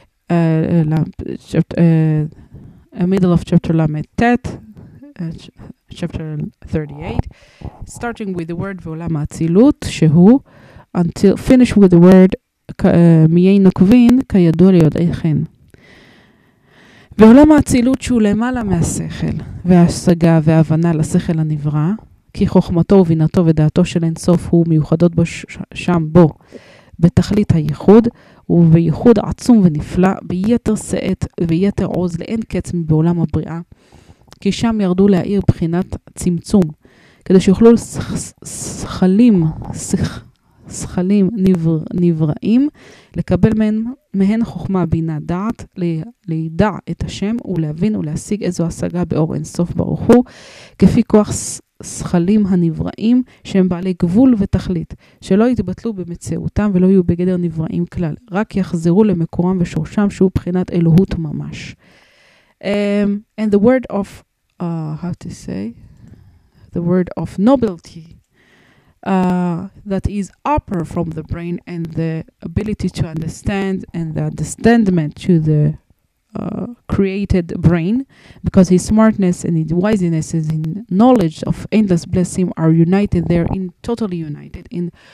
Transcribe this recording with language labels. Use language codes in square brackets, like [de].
[en] Middle of chapter Lamed Tet. Chapter 38. Starting with the word V'olam Atzilut, Shehu. Until finish with the word [he] מיין נוקבין כידוע ליודעיכן. ועולם האצילות שהוא למעלה מהשכל וההשגה וההבנה לשכל הנברא, כי חוכמתו ובינתו ודעתו של אינסוף הוא מיוחדות בו שם בו, בתכלית הייחוד ובייחוד עצום ונפלא, ביתר שאת ויתר עוז לאין קץ בעולם הבריאה, כי שם ירדו להאיר בחינת צמצום, כדי שיוכלו שכלים שכלים נבראים לקבל מהן חוכמה בינה דעת לידע את השם ולהבין ולהשיג איזו השגה באור אין סוף ברוך הוא, כפי כוח שכלים הנבראים שהם בעלי גבול ותכלית, שלא יתבטלו במציאותם ולא יהיו בגדר נבראים כלל, רק יחזרו למקורם ושורשם שהוא בחינת אלוהות ממש. [en] And the word of how to say the word of nobility that is upper from the brain and the ability to understand and the understandment to the created brain, because his smartness and his wisiness is in knowledge of endless blessing are united there, in totally united, in